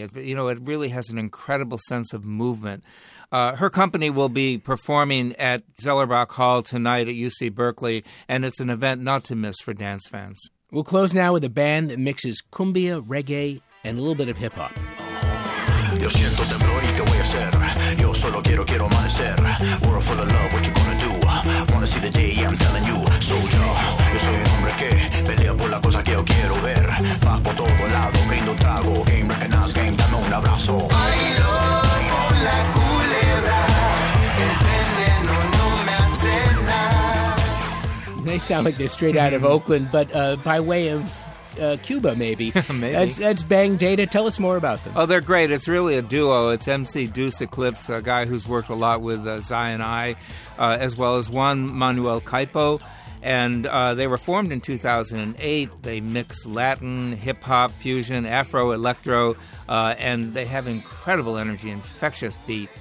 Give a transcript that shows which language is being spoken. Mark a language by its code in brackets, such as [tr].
[en] It really has an incredible sense of movement. Her company will be performing at Zellerbach Hall tonight at UC Berkeley, and it's an event not to miss for dance fans. We'll close now with a band that mixes cumbia, reggae, and a little bit of hip hop. [es] Yo siento temblor y te voy a hacer. Yo solo quiero amanecer. [en] World full of love, what you gonna do? Wanna see the day I'm telling you. Soldier, [es] yo soy un hombre que pelea por la cosa que yo quiero ver. Va por todo lado, brindo trago. [en] Game recognize, game, [es] dame un abrazo. Bailo con la culebra. El veneno no me hace nada. [en] They sound like they're straight out of Oakland, but by way of Cuba, maybe. Maybe. That's Bang Data. Tell us more about them. Oh, they're great. It's really a duo. It's MC Deuce Eclipse, a guy who's worked a lot with Zion I, as well as Juan Manuel Caipo. And they were formed in 2008. They mix Latin, hip-hop, fusion, Afro-electro, and they have incredible energy, infectious beat.